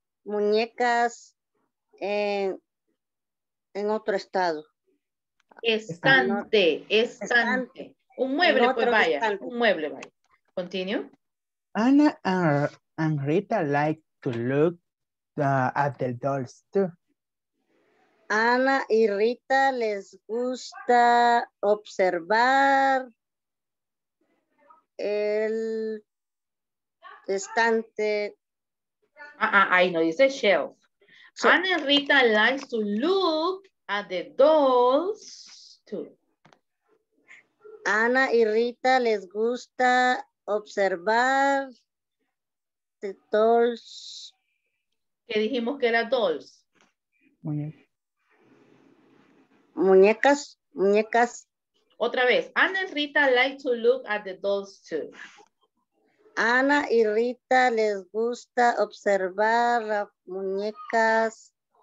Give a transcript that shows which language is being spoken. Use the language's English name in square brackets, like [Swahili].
[Spanish] Muñecas en otro estado. Estante. Un mueble, vaya. Continue. [English] Ana and Rita like to look at the dolls too. [Spanish] Ana y Rita les gusta observar el estante. Ahí no dice shelf. [English] So, Ana y Rita like to look at the dolls too. [Spanish] Ana y Rita les gusta observar [English] the dolls. [Spanish] ¿Qué dijimos que era dolls? Muñecas. Otra vez. [English] Ana y Rita like to look at the dolls too. [Spanish] Ana y Rita les gusta observar las muñecas.